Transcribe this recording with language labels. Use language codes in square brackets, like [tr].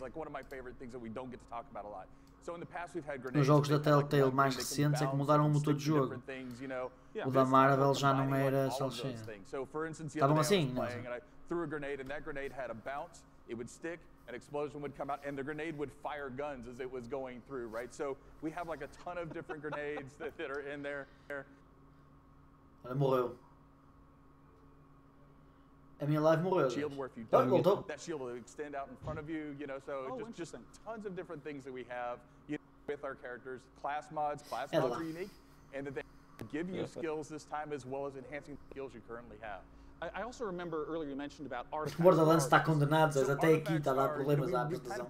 [en] Like one of my favorite things that we don't get to talk about a lot. So in the past we've had [pt] grenades. Nos jogos da Telltale mais recentes é que mudaram o motor de jogo. O da Marvel já não era Cell-Shade. Estavam assim, mas... [en] threw a grenade and that grenade had a bounce, it would stick, an explosion would come out and the grenade would fire guns as it was going through, right? So we have like a ton of different grenades that are in there. [pt] Ela morreu. A minha live morreu. [en] That shield will extend out in front of you, you know, so just tons of different things that we have, you know, with our characters, class mods are unique and that they give you skills this time as well as enhancing the skills you currently have. I also remember earlier you mentioned about artifacts. [pt] Borderlands está condenado, so até aqui está a dar problemas à habitação.